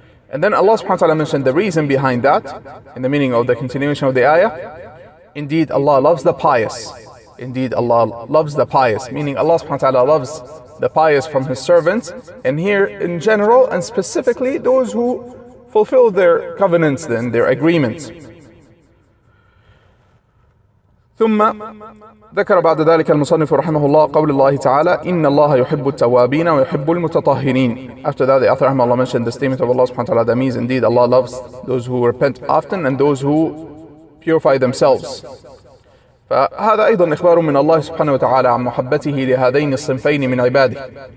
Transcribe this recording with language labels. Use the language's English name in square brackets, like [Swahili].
[English] And then Allah subhanahu wa ta'ala mentioned the reason behind that, in the meaning of the continuation of the ayah. Indeed, Allah loves the pious. Indeed, Allah loves the pious, meaning Allah subhanahu wa ta'ala loves the pious from His servants, and here in general and specifically those who fulfill their covenants and their agreements. [Arabic] ثم ذكر بعد ذلك المصنف رحمه الله قول الله تعالى إن الله يحب التوابين ويحب المتطهرين. [English] After that, the author رحمه الله mentioned the statement of Allah subhanahu wa ta'ala, that means indeed Allah loves those who repent often and those who purify themselves. [Arabic] فهذا أيضا إخبار من الله سبحانه وتعالى عن محبته لهذين الصنفين من عباده.